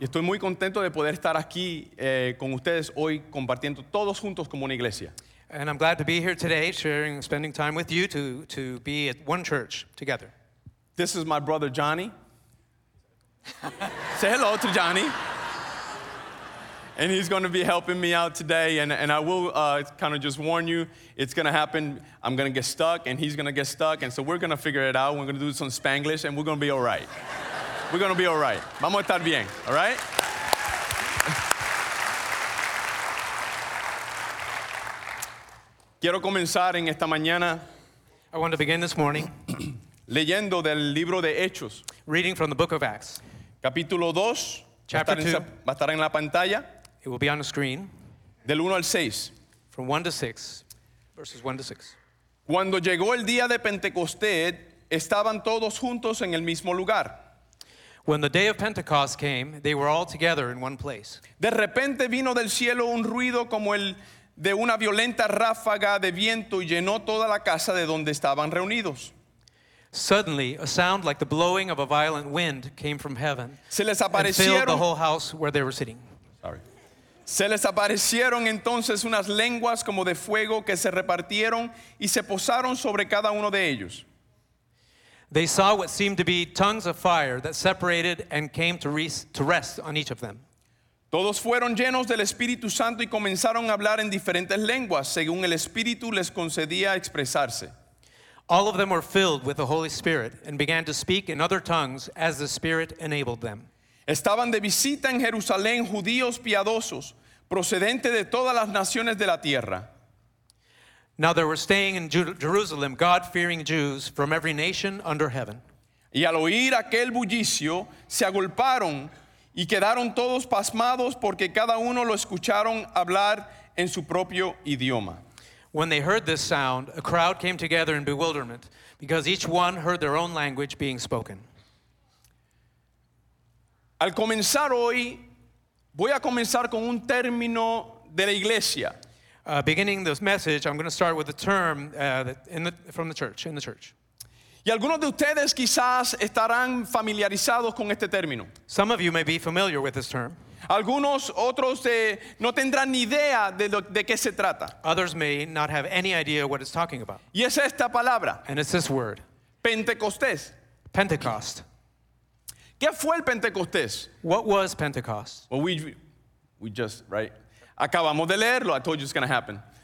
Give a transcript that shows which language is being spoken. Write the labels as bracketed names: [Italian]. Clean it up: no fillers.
[Spanish] Y estoy muy contento de poder estar aquí con ustedes hoy compartiendo todos juntos como una iglesia. [English] And I'm glad to be here today, sharing, spending time with you to be at one church together. This is my brother Johnny. Say hello to Johnny. And he's going to be helping me out today, and I will kind of just warn you, it's going to happen. I'm going to get stuck, and he's going to get stuck, and so we're going to figure it out. We're going to do some Spanglish, and we're going to be all right. We're going to be all right. [Spanish] Vamos a estar bien, [English] all right? [Spanish] Quiero comenzar en esta mañana. [English] I want to begin this morning. [Spanish] Leyendo del libro de Hechos. [English] Reading from the book of Acts. [Spanish] Capítulo 2. [English] Chapter 2. [Spanish] Va a estar en la pantalla. [English] It will be on the screen. [Spanish] Del 1 al 6. [English] From 1 to 6. Verses 1 to 6. [Spanish] Cuando llegó el día de Pentecostés, estaban todos juntos en el mismo lugar. [English] When the day of Pentecost came, they were all together in one place. [Spanish] De repente vino del cielo un ruido como el de una violenta ráfaga de viento y llenó toda la casa de donde estaban reunidos. [English] Suddenly, a sound like the blowing of a violent wind came from heaven. [Spanish] Se les aparecieron, [English] and filled the whole house where they were sitting. [Spanish] Se les aparecieron entonces unas lenguas como de fuego que se repartieron y se posaron sobre cada uno de ellos. [English] They saw what seemed to be tongues of fire that separated and came to rest on each of them. [Spanish] Todos fueron llenos del Espíritu Santo y comenzaron a hablar en diferentes lenguas según el Espíritu les concedía expresarse. [English] All of them were filled with the Holy Spirit and began to speak in other tongues as the Spirit enabled them. [Spanish] Estaban de visita en Jerusalén judíos piadosos, procedentes de todas las naciones de la tierra. [English] Now they were staying in Jerusalem, God-fearing Jews from every nation under heaven. [Spanish] Y al oír aquel bullicio, se agolparon y quedaron todos pasmados porque cada uno lo escucharon hablar en su propio idioma. [English] When they heard this sound, a crowd came together in bewilderment because each one heard their own language being spoken. [Spanish] Al comenzar hoy, voy a comenzar con un término de la iglesia. [English] Beginning this message, I'm going to start with a term from the church. [Spanish] Y algunos de ustedes quizás estarán familiarizados con este término. [English] Some of you may be familiar with this term. [Spanish] Algunos otros no tendrán ni idea de qué se trata. [English] Others may not have any idea what it's talking about. [Spanish] Y es esta palabra. [English] And it's this word. [Spanish] Pentecostés. [English] Pentecost. [Spanish] ¿Qué fue el Pentecostés? [English] What was Pentecost? Well, we just, right? [Spanish] Acabamos de leerlo. [English] I told you it's going to happen.